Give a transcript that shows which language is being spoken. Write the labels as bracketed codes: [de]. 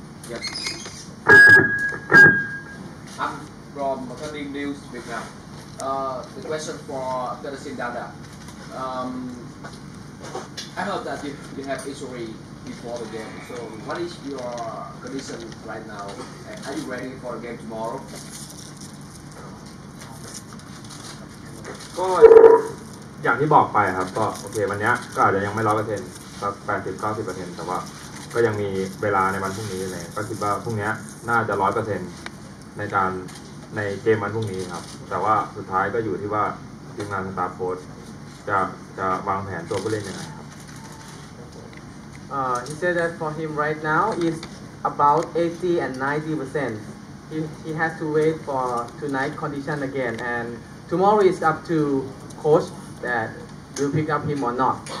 [en] Yep. I'm from attending news right now. The question for Dr. Sindada. I heard that you have injury before the game. So what is your condition right now? And are you ready for a game tomorrow? [th] ก็อย่างที่บอกไปครับก็โอเควันนี้ก็อาจจะยังไม่ 100% สัก 80-90% แต่ว่าก็ยังมีเวลาในวันพรุ่งนี้เลยก็คิดว่าพรุ่งนี้น่าจะ 100% ในการในเกมวันพรุ่งนี้ครับแต่ว่าสุดท้ายก็อยู่ที่ว่าทีมงานสตาร์โค้ชจะวางแผนตัวผู้เล่นยังไงครับ [en] He said that for him right now is about 80-90% he has to wait for tonight condition again andTomorrow is up to coach that will pick up him or not.